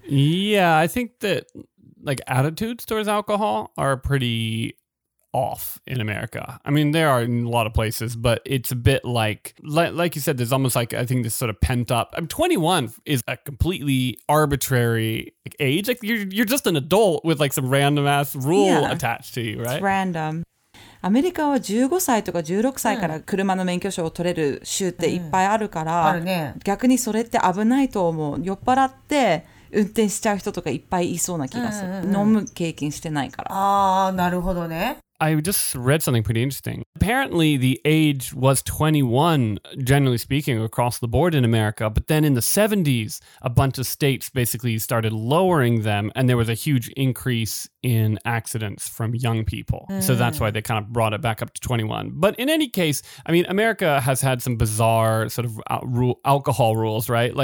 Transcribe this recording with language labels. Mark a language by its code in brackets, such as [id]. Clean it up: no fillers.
[en] Yeah, I think that like attitudes towards alcohol are pretty off in America. I mean, there are in a lot of places, but it's a bit like you said, there's almost like, I think this sort of pent up. I mean, 21 is a completely arbitrary age. Like you're just an adult with like some random ass rule attached to you, right? It's random. [ja] アメリカは15歳とか16歳から車の免許証を取れる州っていっぱいあるから、逆にそれって危ないと思う。酔っ払って運転しちゃう人とかいっぱいいそうな気がする。飲む経験してないから。ああ、なるほどね。 [en] I just read something pretty interesting. Apparently, the age was 21, generally speaking, across the board in America. But then in the 70s, a bunch of states basically started lowering them, and there was a huge increase in accidents from young people. So that's why they kind of brought it back up to 21. But in any case, I mean, America has had some bizarre sort of alcohol rules, right?